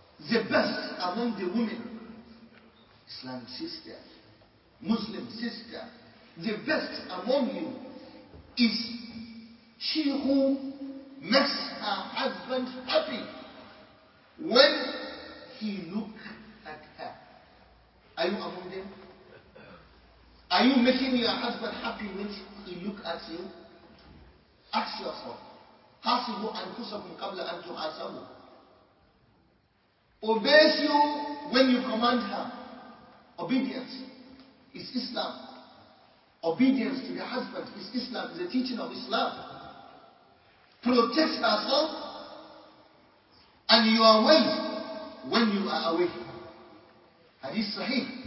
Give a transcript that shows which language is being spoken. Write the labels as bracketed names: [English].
[English] The best among the women, Islam sister, Muslim sister, the best among you is she who makes her husband happy when he looks at her. Are you among them? Are you making your husband happy when he looks at you? Ask yourself, [Arabic] حَاسِبُوا أَنْفُسَكُمْ قَبْلَ أَنْ تُحَاسَبُوا. [English] Obeys you when you command her. Obedience is Islam. Obedience to your husband is Islam, the teaching of Islam. Protect herself and you are away when you are away. Hadith Sahih.